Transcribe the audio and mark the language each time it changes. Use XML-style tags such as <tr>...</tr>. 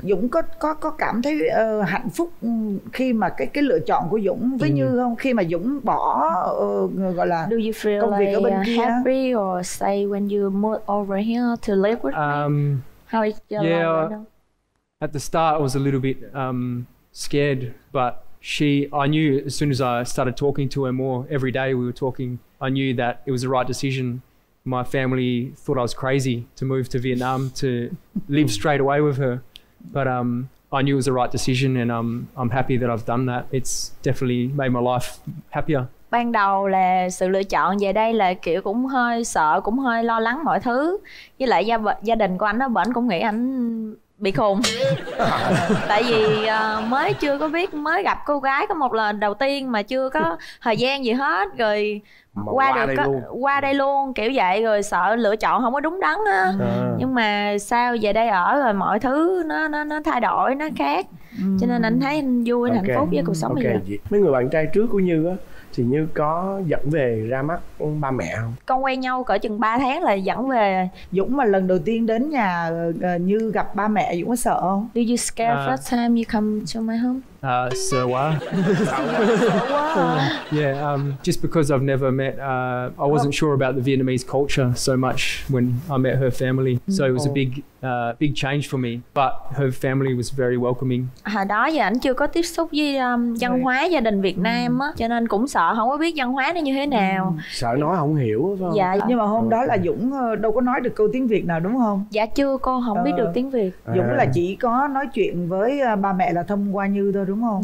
<vi>Dũng có cảm thấy hạnh phúc khi mà cái lựa chọn của Dũng với Như không? Khi mà Dũng bỏ gọi là</vi> <en>do you feel</en> <vi>công việc</vi> <en>like</en> <vi>ở bên kia.</vi> <en>Happy or say when you move over here to live with me? How is your life? Yeah, at the start I was a little bit scared, but I knew as soon as I started talking to her more every day, we were talking, I knew that it was the right decision. My family thought I was crazy to move to Vietnam to live straight away with her, but I knew it was the right decision, and I'm happy that I've done that. It's definitely made my life happier.</en> <vi>Ban đầu là sự lựa chọn về đây là kiểu cũng hơi sợ, cũng hơi lo lắng mọi thứ. Với lại gia đình của anh đó, bển cũng nghĩ anh bị khùng. Tại vì mới chưa có biết, mới gặp cô gái có một lần đầu tiên mà chưa có thời gian gì hết. Rồi qua đây luôn kiểu vậy, rồi sợ lựa chọn không có đúng đắn á. Nhưng mà sao về đây ở rồi mọi thứ nó thay đổi, nó khác. Cho nên anh thấy anh vui, anh hạnh phúc với cuộc sống bây giờ. Mấy người bạn trai trước của Như á, thì Như có dẫn về ra mắt ba mẹ không? Con quen nhau cỡ chừng 3 tháng là dẫn về. Dũng mà lần đầu tiên đến nhà Như gặp ba mẹ, Dũng có sợ không?</vi> <en>Do you scare first time you come to my home?</en> <vi>Sợ quá.</vi> <en>Yeah, just because I've never met, I wasn't sure about the Vietnamese culture so much when I met her family. So it was a big change for me, but her family was very welcoming.</en> <vi>Hồi đó giờ anh chưa có tiếp xúc với văn hóa gia đình Việt Nam á, cho nên cũng sợ không có biết văn hóa nó như thế nào. Sợ nói không hiểu phải không? Dạ, nhưng mà hôm đó là Dũng đâu có nói được câu tiếng Việt nào đúng không? Dạ chưa, cô không biết được tiếng Việt. Dũng là chỉ có nói chuyện với ba mẹ là thông qua Như thôi đúng không?</vi>